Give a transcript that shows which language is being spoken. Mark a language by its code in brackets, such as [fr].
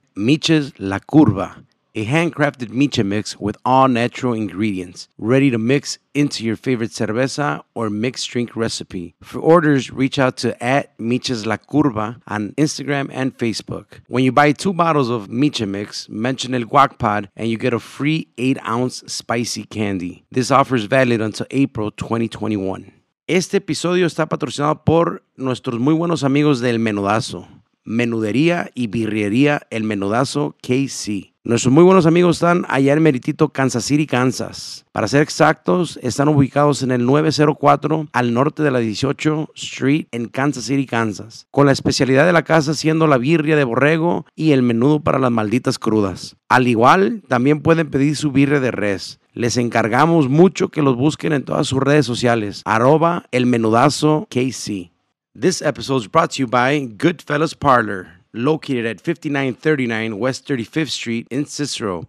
[en] Miches La Curva, a handcrafted miche mix with all natural ingredients, ready to mix into your favorite cerveza or mixed drink recipe. For orders, reach out to at Miches La Curva on Instagram and Facebook. When you buy two bottles of miche mix, mention El Guac Pod and you get a free 8-ounce spicy candy. This offer is valid until April 2021. [es] Este episodio está patrocinado por nuestros muy buenos amigos del Menudazo. Menudería y Birrería El Menudazo KC. Nuestros muy buenos amigos están allá en Meritito, Kansas City, Kansas. Para ser exactos, están ubicados en el 904 al norte de la 18 Street en Kansas City, Kansas. Con la especialidad de la casa siendo la birria de borrego y el menudo para las malditas crudas. Al igual, también pueden pedir su birria de res. Les encargamos mucho que los busquen en todas sus redes sociales. @elmenudazoKC. [en] This episode is brought to you by Goodfellas Parlor, located at 5939 West 35th Street in Cicero.